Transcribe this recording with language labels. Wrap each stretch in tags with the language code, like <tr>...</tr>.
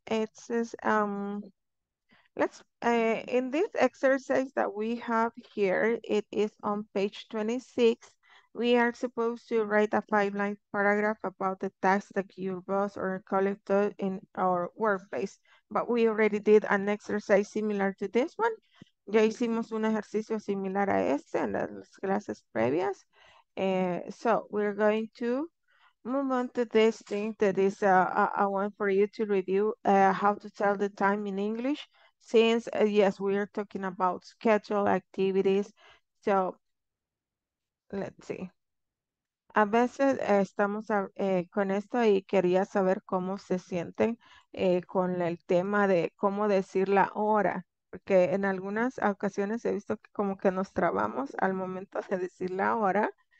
<en>It says, in this exercise that we have here, it is on page 26. We are supposed to write a 5-line paragraph about the task that your boss or colleague does in our workplace. But we already did an exercise similar to this one.</en> <es>Ya hicimos un ejercicio similar a este en las clases previas.</es> <en>So we're going to move on to this thing that is I want for you to review how to tell the time in English, since yes, we are talking about schedule activities. So let's see.</en> <es>A veces estamos con esto y quería saber cómo se sienten con el tema de cómo decir la hora, porque en algunas ocasiones he visto que como que nos trabamos al momento de decir la hora.</es>